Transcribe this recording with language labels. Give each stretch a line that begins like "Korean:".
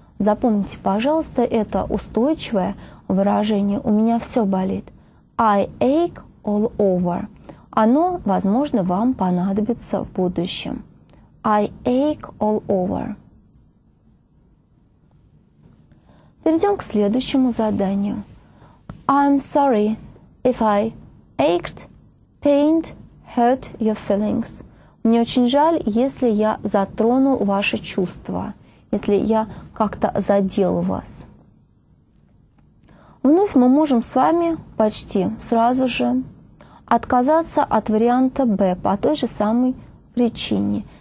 Russian: Запомните, пожалуйста, это устойчивое выражение «у меня все болит».
English: I ache all over.
Russian: Оно, возможно, вам понадобится в будущем.
English: I ache all over.
Russian: Перейдем к следующему заданию.
English: I'm sorry if I ached, pained, hurt your feelings.
Russian: Мне очень жаль, если я затронул ваши чувства, если я как-то задел вас. Вновь мы можем с вами почти сразу же отказаться от варианта «б» по той же самой причине.